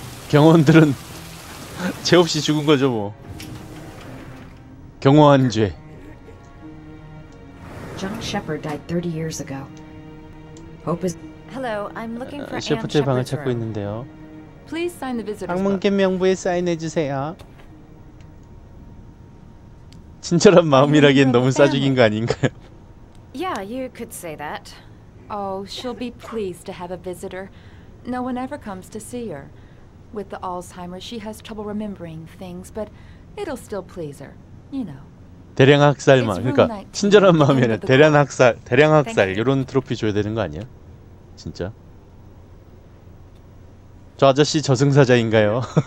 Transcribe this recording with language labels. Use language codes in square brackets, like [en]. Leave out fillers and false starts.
[ko] 경호원들은 죄 없이 죽은 거죠, 뭐. 경호한 죄. [en] John Shepherd died 30 years ago. Hope is Hello, I'm looking for [ko] 셰퍼드의 방을 찾고 있는데요. [en] Please sign the visitor's [ko] 방문 개명부에 사인해 주세요. 친절한 마음이라기엔 너무 싸죽인 거 아닌가요? [en] Yeah, you could say that. Oh, she'll be pleased to have a visitor. No one ever comes to see her. With the Alzheimer's, she has trouble remembering things, but it'll still please her. You know. [ko] 대량 학살 마음. 그러니까 친절한 마음이 아니라 대량 학살, 대량 학살 이런 트로피 줘야 되는 거 아니야? 진짜. 저 아저씨 저승사자인가요?